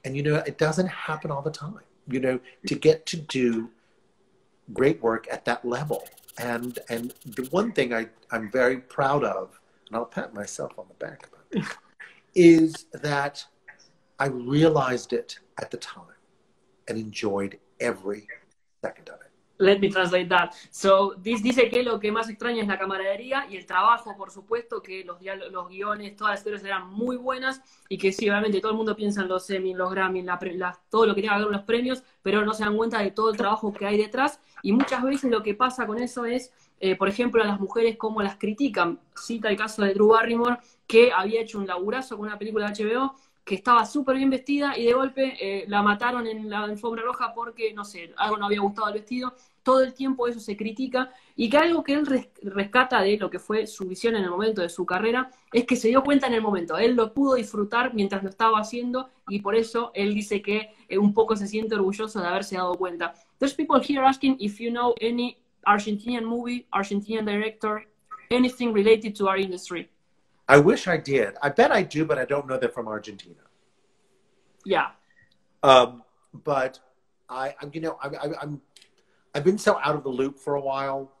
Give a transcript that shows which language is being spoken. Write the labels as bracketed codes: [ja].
[en] And, you know, it doesn't happen all the time, you know, to get to do great work at that level. And the one thing I'm very proud of, and I'll pat myself on the back about this, is that I realized it at the time and enjoyed every second of it. Let me translate that. So, this [es] dice que lo que más extraña es la camaradería y el trabajo, por supuesto, que los guiones, todas las historias eran muy buenas y que sí, obviamente, todo el mundo piensa en los Emmy, los Grammy, todo lo que tiene que ver con los premios, pero no se dan cuenta de todo el trabajo que hay detrás. Y muchas veces lo que pasa con eso es, por ejemplo, a las mujeres, cómo las critican. Cita el caso de Drew Barrymore, que había hecho un laburazo con una película de HBO, que estaba súper bien vestida y de golpe la mataron en la alfombra roja porque, no sé, algo no había gustado el vestido. Todo el tiempo eso se critica y que algo que él rescata de lo que fue su visión en el momento de su carrera es que se dio cuenta en el momento. Él lo pudo disfrutar mientras lo estaba haciendo y por eso él dice que un poco se siente orgulloso de haberse dado cuenta. [en] There's people here asking if you know any Argentinian movie, Argentinian director, anything related to our industry. I wish I did. I bet I do, but I don't know they're from Argentina. Yeah. But I've been so out of the loop for a while.